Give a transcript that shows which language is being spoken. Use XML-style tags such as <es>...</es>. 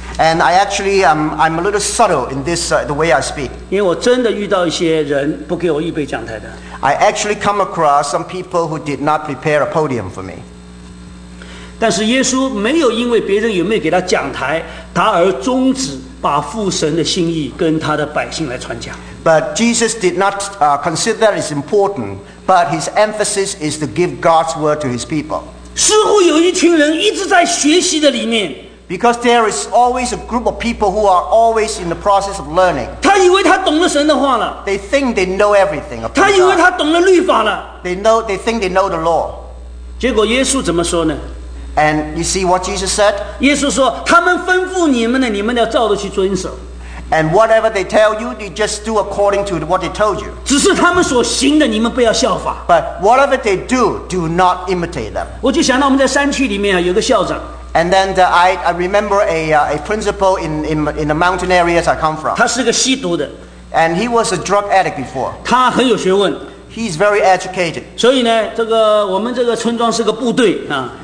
<en>And I actually I'm a little subtle in this the way I speak.</en> <zh>因为我真的遇到一些人不给我预备讲台的。</zh> <en>I actually come across some people who did not prepare a podium for me.</en> <zh>但是耶稣没有因为别人有没有给他讲台，他而终止把父神的心意跟他的百姓来传讲。</zh> <en>But Jesus did not consider that as important, but his emphasis is to give God's word to his people.</en> <zh>似乎有一群人一直在学习的里面。</zh> <en>Because there is always a group of people who are always in the process of learning.</en> <zh>他以为他懂了神的话了。</zh> <en>They think they know everything.</en> <zh>他以为他懂了律法了。</zh> <en>They think they know the law.</en> <zh>结果耶稣怎么说呢？</zh> <en>And you see what Jesus said?</en> <zh>耶稣说，他们吩咐你们的，你们要照着去遵守。</zh> <en>And whatever they tell you, you just do according to what they told you.</en> <zh>只是他们所行的，你们不要效法。</zh> <en>But whatever they do, do not imitate them.</en> <zh>我就想到我们在山区里面啊，有个校长。</zh> <en>And then I remember a principal in the mountain areas I come from.</en> <zh>他是个吸毒的。</zh> <en>And he was a drug addict before.</en> <zh>他很有学问。</zh> <en>He's very educated.</en> <zh>所以呢，这个我们这个村庄是个部队啊。</zh>